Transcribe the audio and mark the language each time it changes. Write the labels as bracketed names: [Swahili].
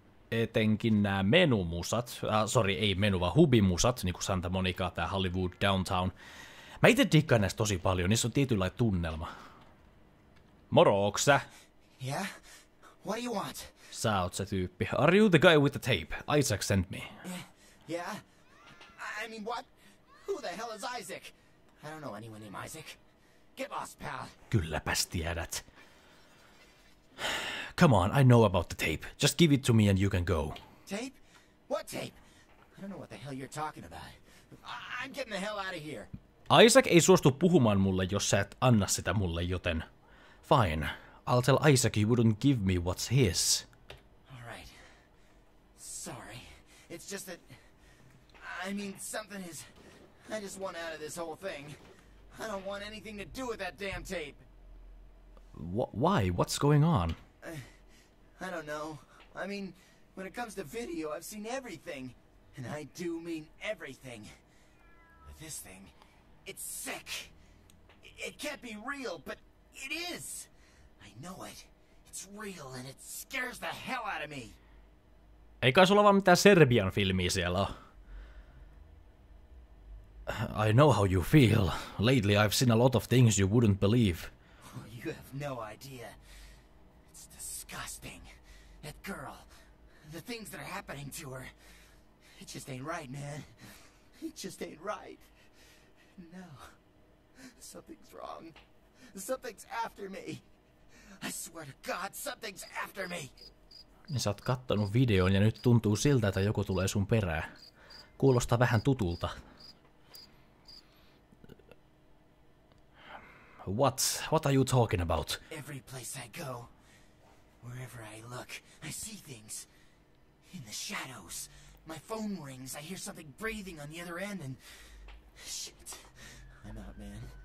[Finnish] Etenkin nämä menumusat. Sori, ei menu, vaan hubimusat. Niinku Santa Monica tai Hollywood Downtown. Mä itse digkaan näistä tosi paljon. Niissä on tietynlainen tunnelma. Moro, ootko sä? [English] Yeah? What do you want? [Finnish] Sä oot se tyyppi. [English] Are you the guy with the tape? Isaac sent me. Yeah? I mean, what? Who the hell is Isaac? I don't know anyone named Isaac. Get lost, pal. [Finnish] Kylläpäs tiedät. [English] Come on, I know about the tape. Just give it to me and you can go. Tape? What tape? I don't know what the hell you're talking about. I'm getting the hell out of here. [Finnish] Isaac ei suostu puhumaan mulle, jos sä et anna sitä mulle, joten... [English] Fine. I'll tell Isaac he wouldn't give me what's his. All right. Sorry. It's just that... I mean, something is... I just want out of this whole thing. I don't want anything to do with that damn tape. Why? What's going on? I don't know. I mean, when it comes to video, I've seen everything. And I do mean everything. But this thing... It's sick. It can't be real, but it is. I know it. It's real and it scares the hell out of me. [Finnish] Ei kai sulla vaan mitään Serbian filmiä siellä. [English] I know how you feel. Lately I've seen a lot of things you wouldn't believe. Oh, you have no idea. It's disgusting. That girl. The things that are happening to her. It just ain't right, man. It just ain't right. No. Something's wrong. Something's after me. I swear to God, something's after me. [Finnish] Niin sä oot kattonut videon ja nyt tuntuu siltä, että joku tulee sun perään. Kuulostaa vähän tutulta. [English] What? What are you talking about? Every place I go, wherever I look, I see things. In the shadows. My phone rings. I hear something breathing on the other end and... Shit. I'm out, man.